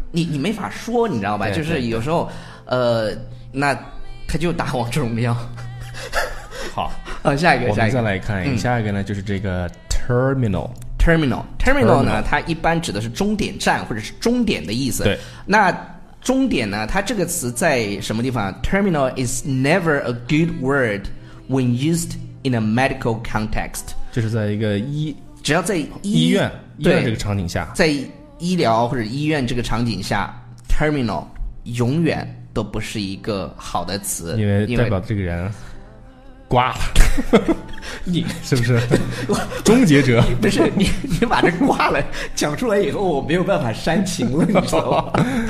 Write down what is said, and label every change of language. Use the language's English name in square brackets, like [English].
[Chinese] 你没法说，你知道吧？就是有时候，那他就打王者荣耀。好，下一个，我们再来看一下一个呢，就是这个 terminal 呢，它一般指的是终点站或者是终点的意思。对，那终点呢，它这个词在什么地方 [English] ？Terminal is never a good word when used in a medical context。 [Chinese] 就是在一个只要在医院这个场景下，在。医疗或者医院这个场景下 terminal 永远都不是一个好的词，因为代表这个人挂了，你是不是终结者？不是，你把这挂了讲出来以后，我没有办法煽情了，你知道吗？